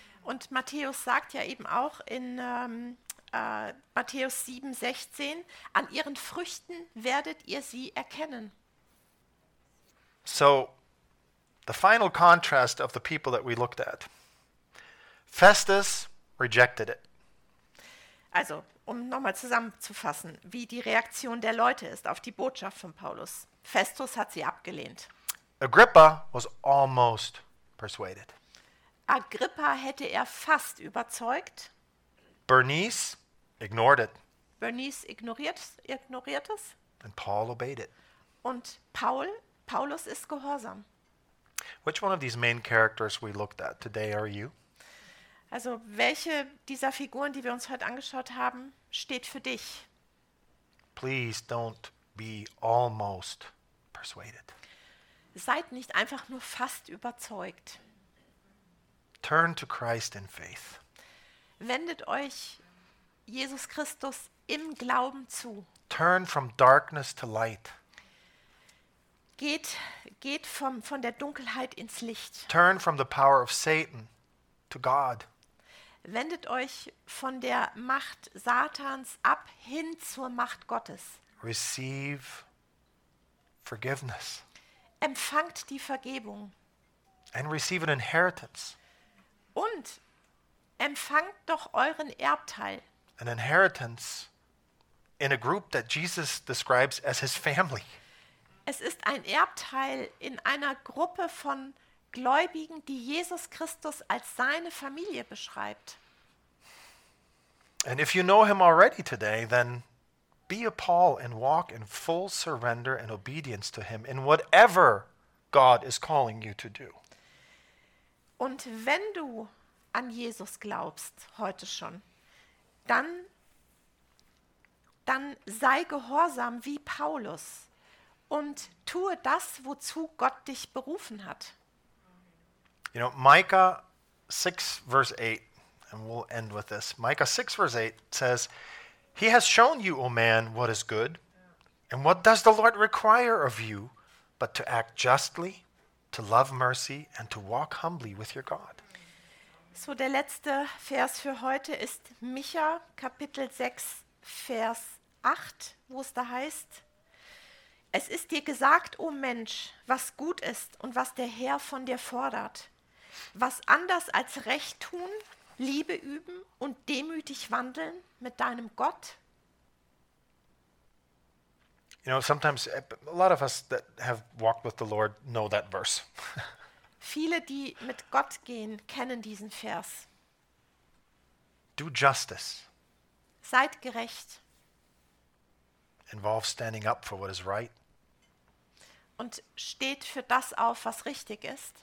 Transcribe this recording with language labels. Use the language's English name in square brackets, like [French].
[German] Und Matthäus sagt ja eben auch in Matthäus 7, 16, an ihren Früchten werdet ihr sie erkennen. [English] So, the final contrast of the people that we looked at. Festus rejected it. [German] Also, um nochmal zusammenzufassen, wie die Reaktion der Leute ist auf die Botschaft von Paulus. Festus hat sie abgelehnt. [English] Agrippa was almost persuaded. [German] Agrippa hätte er fast überzeugt. [English] Bernice ignored it. [German] Bernice ignoriert es. [English] And Paul obeyed it. [German] Und Paulus ist gehorsam. [English] Which one of these main characters we looked at today are you? [German] Also welche dieser Figuren, die wir uns heute angeschaut haben, steht für dich? [English] Please don't be almost persuaded. [German] Seid nicht einfach nur fast überzeugt. [English] Turn to Christ in faith. [German] Wendet euch Jesus Christus im Glauben zu. [English] Turn from darkness to light. [German] Geht von der Dunkelheit ins Licht. [English] Turn from the power of Satan to God. [German] Wendet euch von der Macht Satans ab hin zur Macht Gottes. [English] Receive forgiveness. [German] Empfangt die Vergebung. [English] And receive an inheritance. [German] Und empfangt doch euren Erbteil. [English] An inheritance in a group that Jesus describes as his family. [German] Es ist ein Erbteil in einer Gruppe von Gläubigen, die Jesus Christus als seine Familie beschreibt. [English] And if you know him already today, then be a Paul and walk in full surrender and obedience to him in whatever God is calling you to do. [German] Und wenn du an Jesus glaubst heute schon, dann sei gehorsam wie Paulus und tue das, wozu Gott dich berufen hat. [English] You know, Micah 6, verse 8, and we'll end with this. Micah 6, verse 8 says, He has shown you, O man, what is good, and what does the Lord require of you but to act justly, to love mercy, and to walk humbly with your God. [German] So, der letzte Vers für heute ist Micha, Kapitel 6, Vers 8, wo es da heißt, Es ist dir gesagt, O Mensch, was gut ist und was der Herr von dir fordert. Was anders als Recht tun, Liebe üben und demütig wandeln mit deinem Gott? [English] You know, sometimes a lot of us that have walked with the Lord know that verse. [German] Viele, die mit Gott gehen, kennen diesen Vers. [English] Do justice. [German] Seid gerecht. [English] Involve standing up for what is right. [German] Und steht für das auf, was richtig ist.